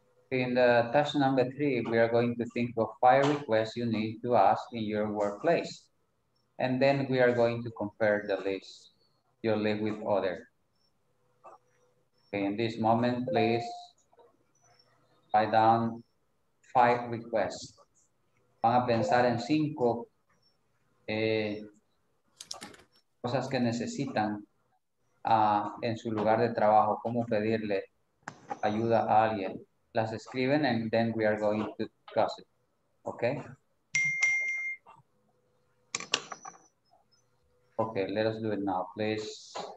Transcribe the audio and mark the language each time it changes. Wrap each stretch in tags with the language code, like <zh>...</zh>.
<en>In the task number three, we are going to think of five requests you need to ask in your workplace. And then we are going to compare the list you leave with others. Okay, in this moment, please write down five requests.</en> <es>Van a pensar en cinco cosas que necesitan en su lugar de trabajo, cómo pedirle ayuda a alguien.</es> <en>Las escriben and then we are going to discuss it. Okay? Okay, let us do it now, please.</en>